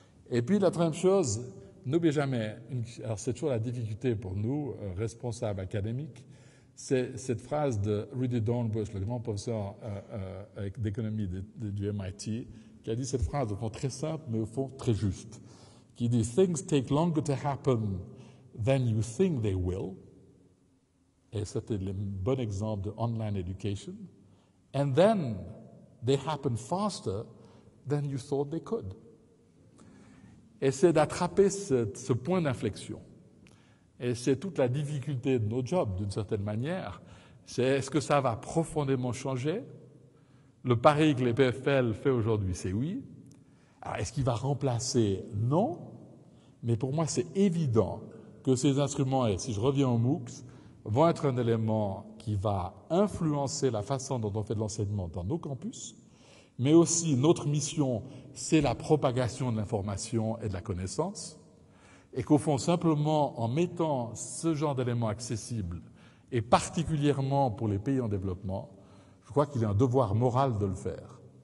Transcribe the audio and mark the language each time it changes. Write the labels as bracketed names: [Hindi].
[French] Et puis, la troisième chose, n'oubliez jamais, c'est toujours la difficulté pour nous, responsables académiques, c'est cette phrase de Rudy Dornbusch, le grand professeur d'économie du MIT, qui a dit cette phrase au fond très simple, mais au fond très juste, qui dit « [English] Things take longer to happen than you think they will ». [French] Et c'était le bon exemple de online education. [English] And then they happen faster than you thought they could. [French] Et c'est d'attraper ce point d'inflexion. Et c'est toute la difficulté de nos jobs, d'une certaine manière. C'est est-ce que ça va profondément changer? Le pari que les PFL fait aujourd'hui, c'est oui. Alors, est-ce qu'il va remplacer? Non. Mais pour moi, c'est évident que ces instruments, et si je reviens au MOOCs, vont être un élément qui va influencer la façon dont on fait de l'enseignement dans nos campus, mais aussi notre mission, c'est la propagation de l'information et de la connaissance, et qu'au fond, simplement en mettant ce genre d'éléments accessibles, et particulièrement pour les pays en développement, je crois qu'il y a un devoir moral de le faire.